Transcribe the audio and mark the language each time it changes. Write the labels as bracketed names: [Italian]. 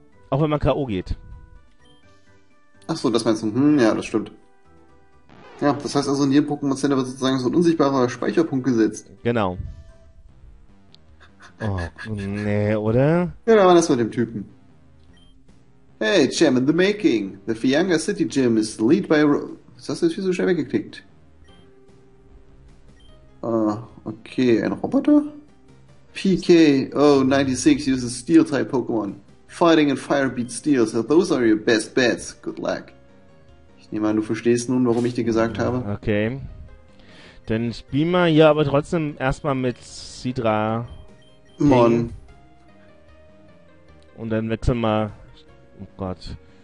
[German] Auch wenn man K.O. geht. Ach so, das meinst du? Ja, das stimmt. Ja, das heißt also, in jedem Pokémon Center wird sozusagen so ein unsichtbarer Speicherpunkt gesetzt. Genau. Oh, nee, oder? Ja, da war das mit dem Typen. [English] Hey, Gem in the Making. The Fianga City Gym is lead by Ro. [German] Was hast du jetzt hier so schnell weggeklickt? [English] Okay, [German] ein Roboter? [English] PK096 uses Steel-Type Pokémon. Fighting and Fire beat Steel, so those are your best bets. Good luck. [German] Ich nehme an, du verstehst nun, warum ich dir gesagt habe. Okay. Dann spielen wir hier aber trotzdem erstmal mit Sidra. Mon. Und dann wechseln wir. Oh Gott.